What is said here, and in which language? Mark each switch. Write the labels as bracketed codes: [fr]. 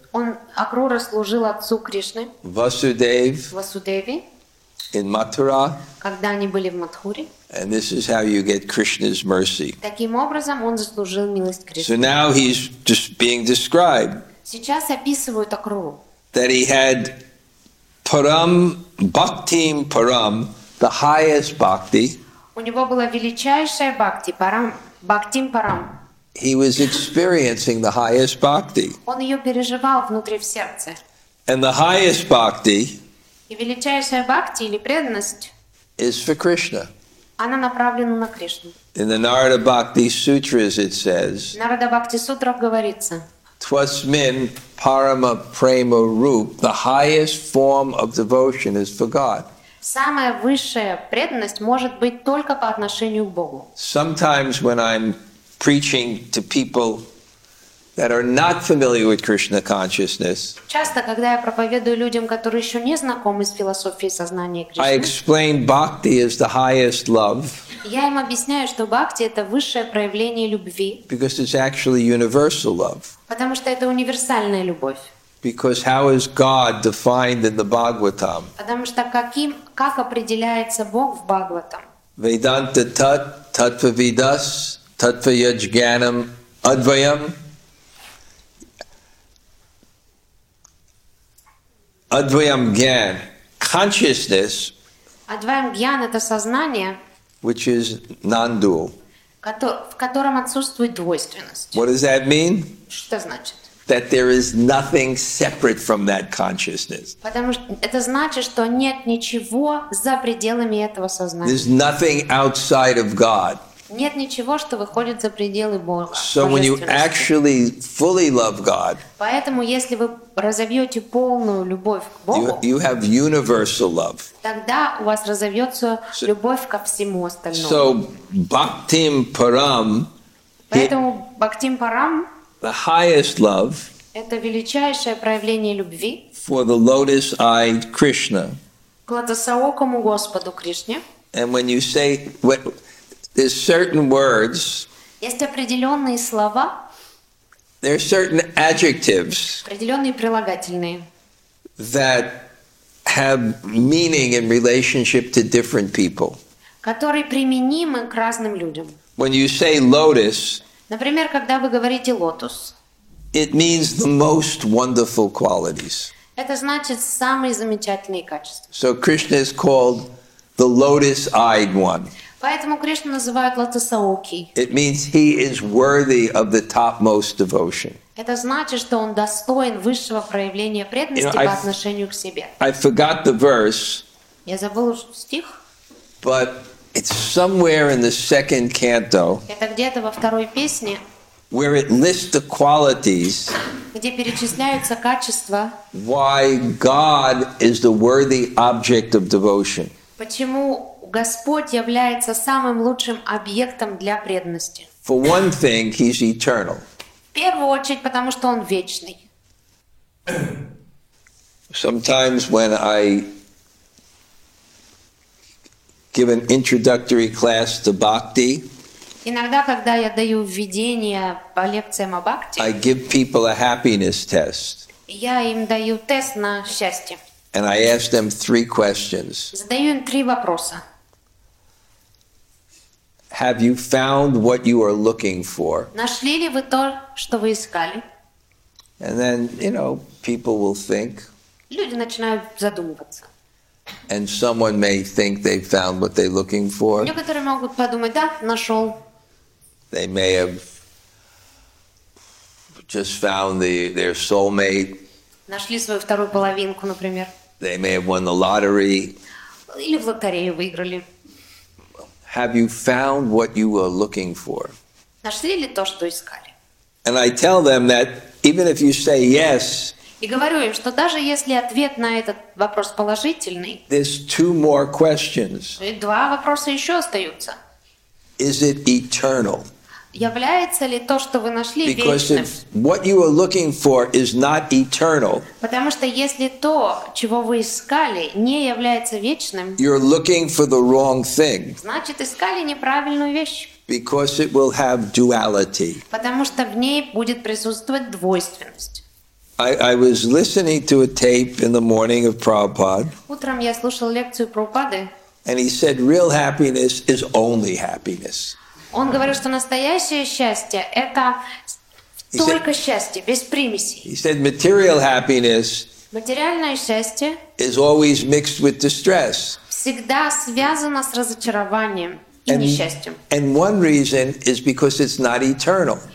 [ru] Он Акрура служил отцу Кришны. Васудеве. [en] In Mathura. [ru] Когда они были в Матхуре. [en] And this is how you get Krishna's mercy. [ru] Таким образом он заслужил милость Кришны. [en] So now he's just being described. [ru] Сейчас описывают Акруру. [en] That he had [sa] param, bhaktim param, [en] the highest bhakti. [ru] У него была величайшая бхакти, [sa] param, bhaktim param. [en] He was experiencing the highest bhakti. [ru] Он ее переживал внутри в сердце. [en] And the highest bhakti. [ru] И величайшая бхакти или преданность. [en] Is for Krishna. [ru] Она направлена на Кришну. [en] In the Narada Bhakti Sutras it says. [ru] В Нарада Бхакти Сутрах говорится. [sa] Twasmin parama prema rup, [en] the highest form of devotion is for God. [ru] Самая высшая преданность может быть только по отношению к Богу. [en] Sometimes when I'm preaching to people that are not familiar with Krishna consciousness. [ru] Часто когда я проповедую людям, которые ещё не знакомы с философией сознания Кришны. [en] I explain bhakti is the highest love. [ru] Я им объясняю, что бхакти это высшее проявление любви. [en] Because it's actually universal love. [ru] Потому что это универсальная любовь. [en] Because how is God defined in the Bhagavatam? [ru] Потому что как определяется Бог в Бхагаватам? [sa] Vedanta tat tatva vidas tatva yajnanam advayam. Advayam gyan, consciousness. Advayam gyan [ru] это сознание, [en] which is non-dual. [ru] В котором отсутствует двойственность. [en] What does that mean? [ru] Что значит? [en] That there is nothing separate from that consciousness. [ru] Потому что это значит, что нет ничего за пределами этого сознания. [en] There's nothing outside of God. [ru] Нет ничего, что выходит за пределы Бога. [en] So when you actually fully love God, [ru] поэтому если вы разовьете полную любовь к Богу, [en] you have universal love. [ru] Тогда у вас разовьется любовь ко всему остальному. [sa] So bhaktim param, поэтому bhaktim param, [en] the highest love, [ru] это величайшее проявление любви [en] for the lotus-eyed Krishna, [ru] к лотосоокому Господу Кришне. [en] And when you say there's certain words. [ru] Есть определенные слова. [en] There are certain adjectives. [ru] Определенные прилагательные. [en] That have meaning in relationship to different people. [ru] Которые применимы к разным людям. [en] When you say lotus. [ru] Например, когда вы говорите лотос. [en] It means the most wonderful qualities. [ru] Это значит самые замечательные качества. [en] So Krishna is called the lotus-eyed one. [ru] Поэтому Кришну называют лотосоокий. [en] It means he is worthy of the topmost devotion. [ru] Это значит, что он достоин высшего проявления преданности по отношению к себе. [en] I forgot the verse. [ru] Я забыл стих. [en] But it's somewhere in the second canto. [ru] Это где-то во второй песне. [en] Where it lists the qualities. [ru] Где перечисляются качества. [en] Why God is the worthy object of devotion. [ru] Почему Господь является самым лучшим объектом для преданности. [en] For one thing, he's eternal. [ru] В первую очередь, потому что он вечный. [en] Sometimes when I give an introductory class to bhakti, [ru] иногда, когда я даю введение по лекциям о бхакти, [en] I give people a happiness test. [ru] Я им даю тест на счастье. [en] And I ask them three questions. [ru] Задаю им три вопроса. [en] Have you found what you are looking for? [ru] Нашли ли вы то, что вы искали? [en] And then, you know, people will think. [ru] Люди начинают задумываться. [en] And someone may think they found what they're looking for. [ru] Некоторые могут подумать, да, нашел. [en] They may have just found their soulmate. [ru] Нашли свою вторую половинку, например. [en] They may have won the lottery. [ru] Или в лотерею выиграли. [en] Have you found what you were looking for? [ru] Нашли ли то, что искали? [en] And I tell them that even if you say yes, [ru] и говорю им, что даже если ответ на этот вопрос положительный, [en] there's two more questions. [ru] И два вопроса еще остаются. [en] Is it eternal? [ru] Является ли то, что вы нашли, вечным? [en] Because if what you are looking for is not eternal, [ru] потому что если то, чего вы искали, не является вечным, [en] you're looking for the wrong thing. [ru] Значит, искали неправильную вещь. [en] Because it will have duality. [ru] Потому что в ней будет присутствовать двойственность. [en] I was listening to a tape in the morning of Prabhupada. [ru] Утром я слушал лекцию Прабхупады. [en] And he said, real happiness is only happiness. [ru] Он говорит, что настоящее счастье – это только счастье, без примесей. [en] He said material happiness, [ru] материальное счастье, [en] is always mixed with distress. [ru] Всегда связано с разочарованием и несчастьем. [en] And one reason is because it's not eternal.